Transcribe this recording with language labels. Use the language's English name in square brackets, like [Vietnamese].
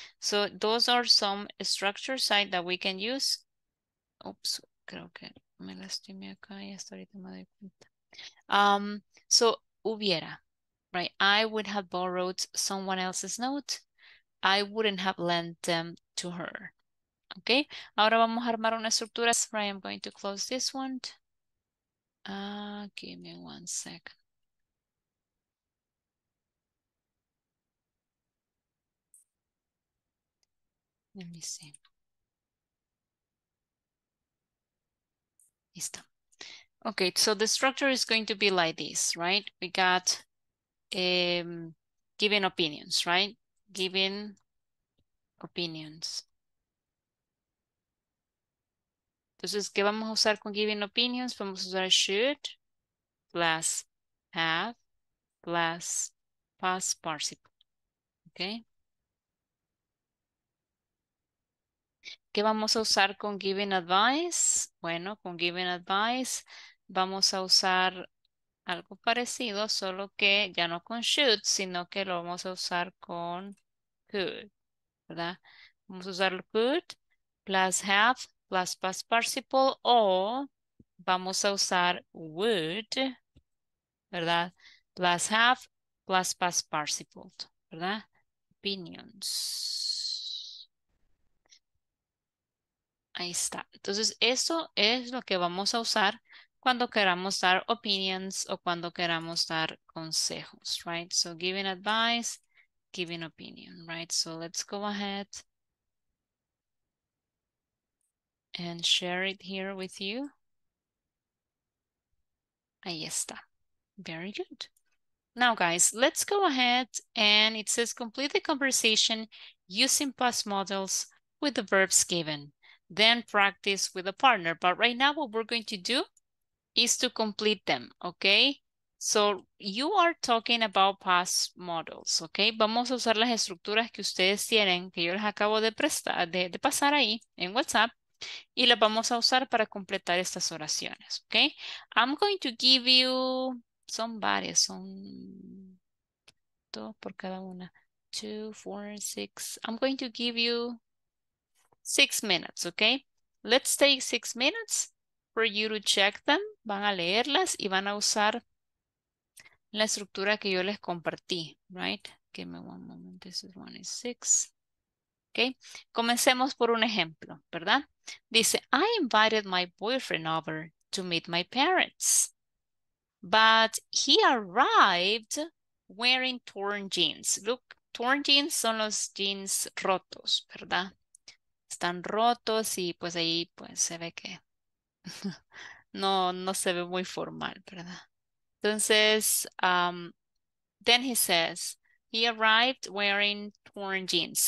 [English] So those are some structure side that we can use. [Spanish] Oops, creo que me lastimé acá y hasta ahorita me doy cuenta. [English] So [Spanish] hubiera, [English] right? I would have borrowed someone else's note. I wouldn't have lent them to her. Okay? [Spanish] Ahora vamos a armar una estructura. [English] Right, I'm going to close this one. Give me one second. Let me see. [Spanish] Listo. [English] Okay, so the structure is going to be like this, right? We got giving opinions, right? Giving opinions. [Spanish] Entonces, ¿qué vamos a usar con giving opinions? Vamos a usar [English] should plus have plus past participle. Okay. [Spanish] ¿Qué vamos a usar con giving advice? Bueno, con giving advice vamos a usar algo parecido, solo que ya no con should, sino que lo vamos a usar con could, ¿verdad? Vamos a usar [English] could plus have plus past participle, [Spanish] o vamos a usar would, ¿verdad? [English] Plus have plus past participle, [Spanish] ¿verdad? [English] Opinions. [Spanish] Ahí está. Entonces, eso es lo que vamos a usar cuando queramos dar opinions o cuando queramos dar consejos, right? [English] So, giving advice, giving opinion, right? So, let's go ahead and share it here with you. [Spanish] Ahí está. [English] Very good. Now, guys, let's go ahead and it says complete the conversation using past modals with the verbs given. Then practice with a partner. But right now, what we're going to do is to complete them, okay? So you are talking about past modals, okay? [Spanish] Vamos a usar las estructuras que ustedes tienen, que yo les acabo de prestar, de pasar ahí en WhatsApp, y las vamos a usar para completar estas oraciones, okay? [English] I'm going to give you, [Spanish] son varias, son dos por cada una, 2, 4, 6. [English] I'm going to give you 6 minutes, okay? Let's take 6 minutes for you to check them. [Spanish] Van a leerlas y van a usar la estructura que yo les compartí, [English] right? Give me one moment. This is 1 and 6. Okay. [Spanish] Comencemos por un ejemplo, ¿verdad? [English] Dice, I invited my boyfriend over to meet my parents, but he arrived wearing torn jeans. Look, torn jeans [Spanish] son los jeans rotos, ¿verdad? Están rotos y pues ahí pues se ve que no se ve muy formal, ¿verdad? [English] Entonces, then he says, he arrived wearing torn jeans.